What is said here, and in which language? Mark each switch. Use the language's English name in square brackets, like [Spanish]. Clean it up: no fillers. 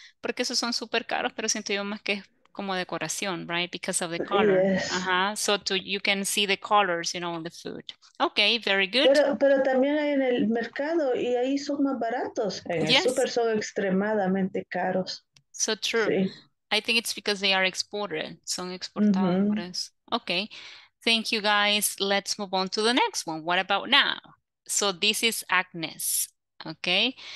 [Spanish] Porque esos son súper caros, pero siento yo más que es como decoración, [English] right? Because of the color. Yes. Uh-huh. So to, you can see the colors, you know, on the food. Okay, very good. [Spanish] Pero también hay en el mercado y ahí son más baratos. [English] Yes. [Spanish] Super son extremadamente caros. [English] So true. [Spanish] Sí. [English] I think it's because they are exported. [Spanish] Son exportadores. [English] Mm-hmm. Okay. Thank you, guys. Let's move on to the next one. What about now? So this is Agnes, okay?